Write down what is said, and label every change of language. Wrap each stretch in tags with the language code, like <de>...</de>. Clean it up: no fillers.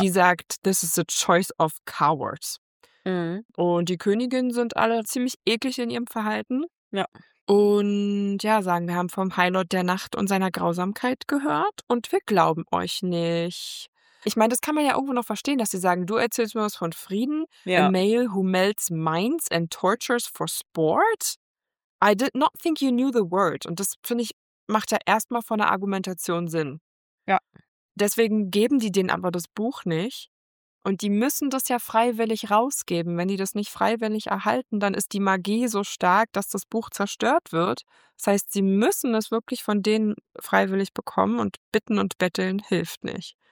<de>Die sagt,</de> <en>this is a choice of cowards. Mhm.</en> <de>Und die Königinnen sind alle ziemlich eklig in ihrem Verhalten. Ja. Und ja, sagen, wir haben vom Highlord der Nacht und seiner Grausamkeit gehört und wir glauben euch nicht. Ich meine, das kann man ja irgendwo noch verstehen, dass sie sagen, du erzählst mir was von Frieden. Ja.</de> <en>A male who melts minds and tortures for sport? I did not think you knew the word.</en> <de>Und das finde ich, macht ja erstmal von der Argumentation Sinn. Ja. Deswegen geben die denen aber das Buch nicht. Und die müssen das ja freiwillig rausgeben. Wenn die das nicht freiwillig erhalten, dann ist die Magie so stark, dass das Buch zerstört wird. Das heißt, sie müssen es wirklich von denen freiwillig bekommen und bitten und betteln hilft nicht.</de>